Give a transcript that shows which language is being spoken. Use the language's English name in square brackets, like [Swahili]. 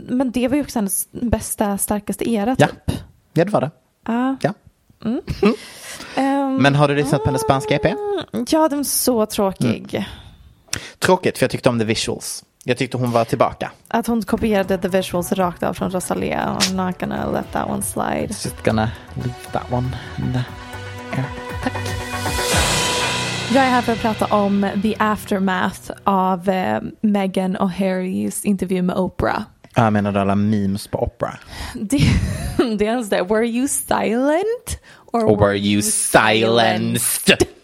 [Swedish] Men det var ju också hennes bästa, starkaste era typ. Ja, det var det. Ja. Men har du lyssnat på hennes spanska EP? Ja, den var så tråkig. Tråkigt, för jag tyckte om The Visuals. Jag tyckte hon var tillbaka. Att hon kopierade The Visuals rakt av från Rosalía. [English] I'm not gonna let that one slide. Just gonna leave that one in the air. [Swedish] Tack. Jag är här för att prata om [English] the aftermath [Swedish] av Meghan och Harrys intervju med Oprah. Jag menar alla memes på Oprah. Det är ens det. [English] Were you silent? Or were you silenced?